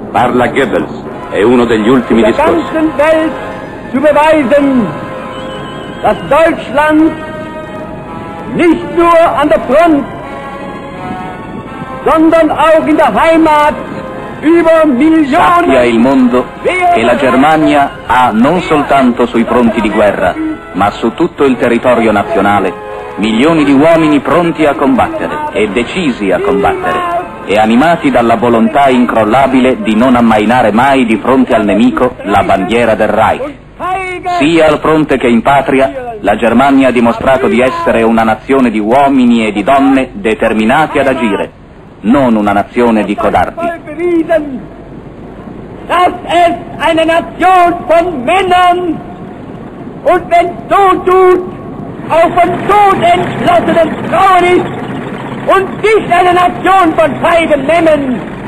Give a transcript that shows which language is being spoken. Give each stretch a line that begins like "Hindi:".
Italian: La Goebbels è uno degli ultimi discorsi.
German: Der ganzen Welt zu beweisen, dass Deutschland nicht nur an der Front, sondern auch in der Heimat über Millionen.
Italian: Sappia il mondo che la Germania ha non soltanto sui fronti di guerra, ma su tutto il territorio nazionale, milioni di uomini pronti a combattere e decisi a combattere. E animati dalla volontà incrollabile di non ammainare mai di fronte al nemico la bandiera del Reich. Sia al fronte che in patria, la Germania ha dimostrato di essere una nazione di uomini e di donne determinati ad agire, non una nazione di codardi.
German: Das ist eine Nation von Männern und wenn so tut, auch von Tod entschlossenen Frauen ist. Und nicht eine Nation von feigen Männern.